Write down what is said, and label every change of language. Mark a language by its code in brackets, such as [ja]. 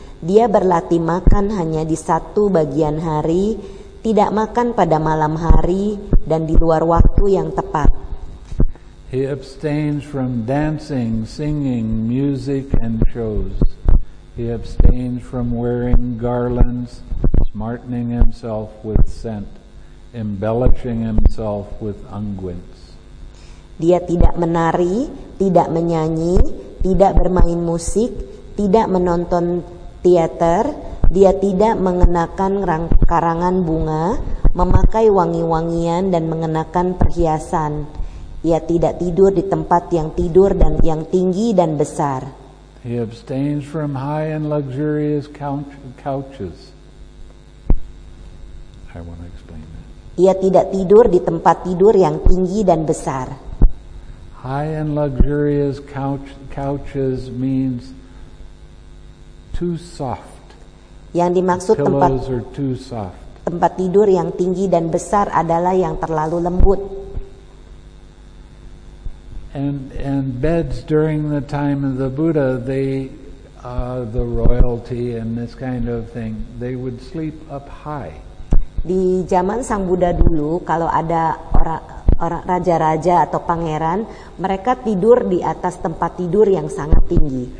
[id] Dia berlatih makan hanya di satu bagian hari, tidak makan pada malam hari, dan di luar waktu yang tepat. [en] He abstains from dancing, singing, music, and shows. He abstains from wearing garlands, smartening himself with scent, embellishing himself with unguents. [id] Dia tidak menari, tidak menyanyi, tidak bermain musik, tidak menonton teater, dia tidak mengenakan karangan bunga, memakai wangi-wangian, dan mengenakan perhiasan. Ia tidak tidur di tempat yang tidur dan yang tinggi dan besar. [en] He abstains from high and luxurious couches. I want to explain that. [id] Ia tidak tidur di tempat tidur yang tinggi dan besar. [en] High and luxurious couches means too soft. [id] Yang dimaksud tempat [en] are too soft. [id] Tempat tidur yang tinggi dan besar adalah yang terlalu lembut. [en] And beds during the time of the Buddha, the royalty and this kind of thing, they would sleep up high. [id] Di zaman Sang Buddha dulu, kalau ada orang raja-raja atau pangeran, mereka tidur di atas tempat tidur yang sangat tinggi.